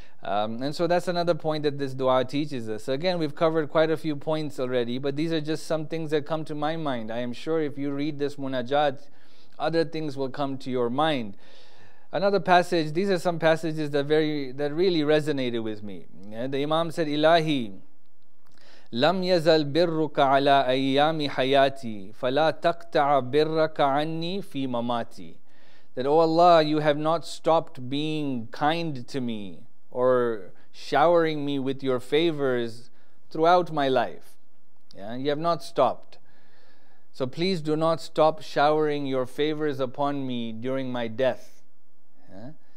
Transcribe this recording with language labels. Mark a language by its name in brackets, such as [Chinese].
[English] And so that's another point that this dua teaches us. So again, we've covered quite a few points already, but these are just some things that come to my mind. I am sure if you read this munajat, other things will come to your mind. Another passage, these are some passages that really resonated with me. Yeah, the Imam said, [Arabic] Ilahi, لم يزل برك على أيام حياتي فلا تقطع برك عني في مماتي. [English] That, oh Allah, you have not stopped being kind to me or showering me with your favors throughout my life. Yeah, you have not stopped. So please do not stop showering your favors upon me during my death. Yeah?